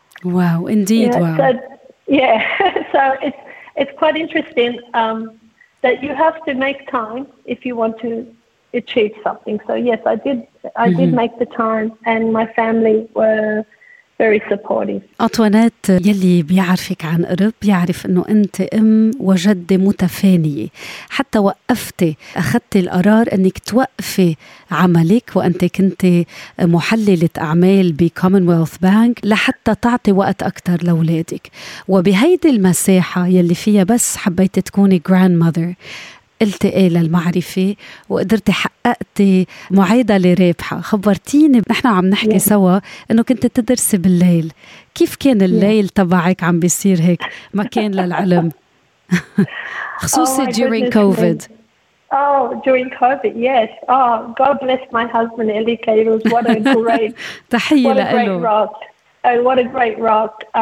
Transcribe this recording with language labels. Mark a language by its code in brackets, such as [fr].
[en] Wow, indeed. Yeah, wow. So it's quite interesting that you have to make time if you want to achieve something. So yes, I did. I did make the time, and my family were very supportive. [ar] أطوانات يلي بيعرفك عن قرب بيعرف إنه أنت أم وجدة متفانية. حتى وقفتي أخذتي القرار إنك توقفي عملك وأنت كنت محللة أعمال بكومنولث بانك لحتى تعطي وقت أكتر لأولادك. وبهيدي المساحة يلي فيها بس حبيت تكوني [en] grandmother [ar] التقي للمعرفة وقدرت حققت معادلة رابحة. خبرتيني نحن عم نحكي سوا أنه كنت تدرس بالليل. كيف كان الليل تبعك عم بيصير هيك مكان للعلم خصوصي [en] during COVID. Oh, during COVID, yes. Oh, God bless my husband, Elika. It was what a great, what a great rock. Oh, what a great rock.